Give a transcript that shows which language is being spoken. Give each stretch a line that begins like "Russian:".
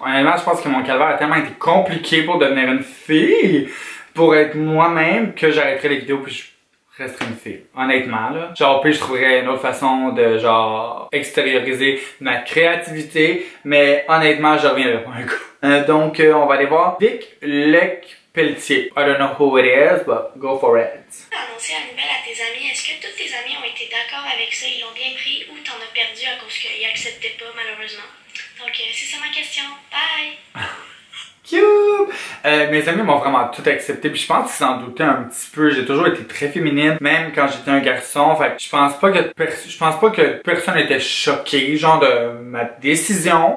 French: Honnêtement, je pense que mon calvaire a tellement été compliqué pour devenir une fille, pour être moi-même, que j'arrêterai les vidéos puis je resterai une fille. Honnêtement, là. Genre, puis je trouverais une autre façon de, genre, extérioriser ma créativité, mais honnêtement, je reviendrai pas un gars. On va aller voir Vic Luc Pelletier.
English: I don't know who it is, but go for it.
French: Tu as annoncé la nouvelle à tes amis. Est-ce que tous tes amis ont été d'accord avec ça? Ils l'ont bien pris ou t'en as perdu à cause qu'ils n'acceptaient pas, malheureusement? Donc, c'est ça ma question. Bye! Mes amis m'ont vraiment tout accepté, puis je pense qu'ils s'en doutaient un petit peu. J'ai toujours été très féminine, même quand j'étais un garçon. Fait que je pense pas que personne était choqué, genre, de ma décision.